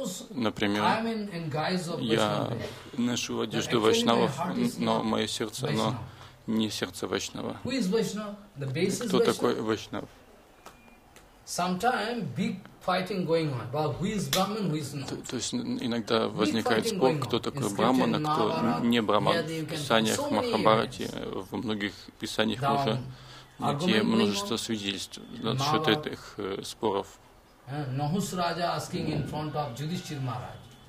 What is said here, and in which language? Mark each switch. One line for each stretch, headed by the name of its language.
Russian: Например, я ношу одежду Вайшнава, но мое сердце, оно не сердце Вайшнава. Кто такой Вайшнав?
English: Sometimes big fighting going on, but who is Brahman, who is not?
Russian: То есть иногда возникает спор, кто такой Брахман, а кто не Брахман. В писаниях Махабхараты, в многих писаниях уже найти множество свидетельств насчет этих споров.
English: Нахус Раджа asking in front of Yudhishthir Maharaj.